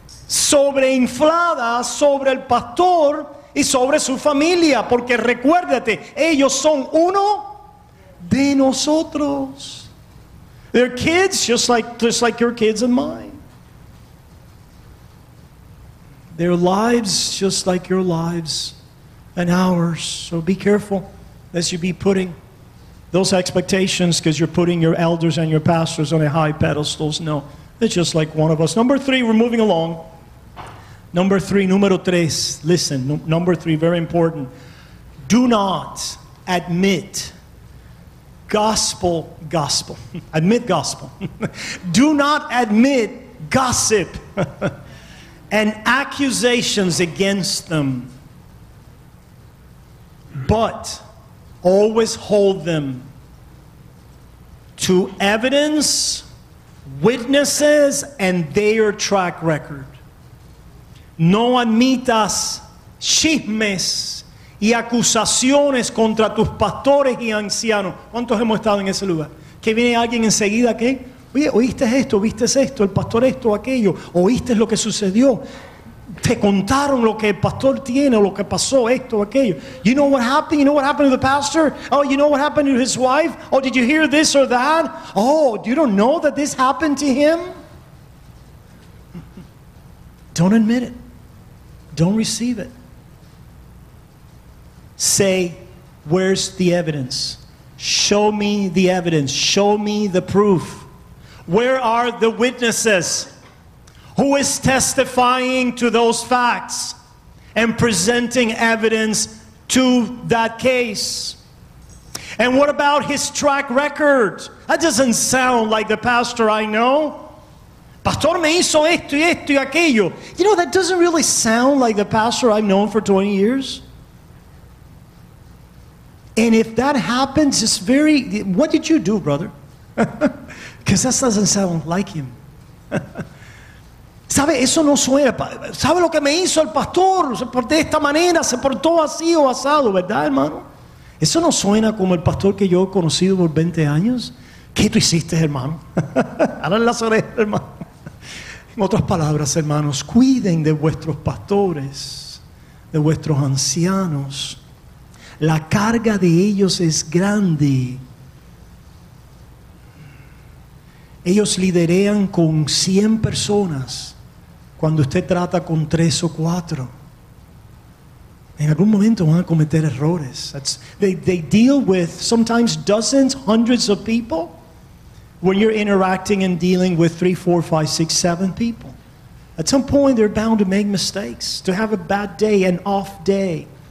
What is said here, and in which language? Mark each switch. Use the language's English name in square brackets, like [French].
[Spanish] sobreinflada sobre el pastor y sobre su familia, porque recuérdate, ellos son uno de nosotros. [English] They're kids just like your kids and mine. Their lives just like your lives and ours. So be careful as you be putting those expectations, because you're putting your elders and your pastors on a high pedestal. No, it's just like one of us. Number three, we're moving along. Number three, [Spanish] número tres, [English] listen, number three, very important. Do not admit gospel. Admit gospel. Do not admit gossip and accusations against them, but always hold them to evidence, witnesses, and their track record. [Spanish] No admitas chismes y acusaciones contra tus pastores y ancianos. ¿Cuántos hemos estado en ese lugar? Que viene alguien enseguida, ¿qué? Oye, ¿oíste esto? ¿Viste esto? ¿El pastor esto o aquello? ¿Oíste lo que sucedió? ¿Te contaron lo que el pastor tiene o lo que pasó esto o aquello? [English] You know what happened? You know what happened to the pastor? Oh, you know what happened to his wife? Oh, did you hear this or that? Oh, you don't know that this happened to him? Don't admit it. Don't receive it. Say, where's the evidence? Show me the evidence. Show me the proof. Where are the witnesses? Who is testifying to those facts and presenting evidence to that case? And what about his track record? That doesn't sound like the pastor I know. [Spanish] Pastor me hizo esto y esto y aquello. [English] You know, that doesn't really sound like the pastor I've known for 20 years. And if that happens, it's very... What did you do, brother? Because that doesn't sound like him. [Spanish] ¿Sabe? Eso no suena. ¿Sabe lo que me hizo el pastor? Se portó de esta manera, se portó así o asado, ¿verdad, hermano? Eso no suena como el pastor que yo he conocido por 20 años. ¿Qué tú hiciste, hermano? Ahora en la oreja, hermano. En otras palabras, hermanos, cuiden de vuestros pastores, de vuestros ancianos. La carga de ellos es grande. Ellos liderean con 100 personas cuando usted trata con 3 o 4. En algún momento van a cometer errores. [English] They deal with sometimes dozens, hundreds of people. When you're interacting and dealing with 3, 4, 5, 6, 7 people, at some point they're bound to make mistakes, to have a bad day, an off day.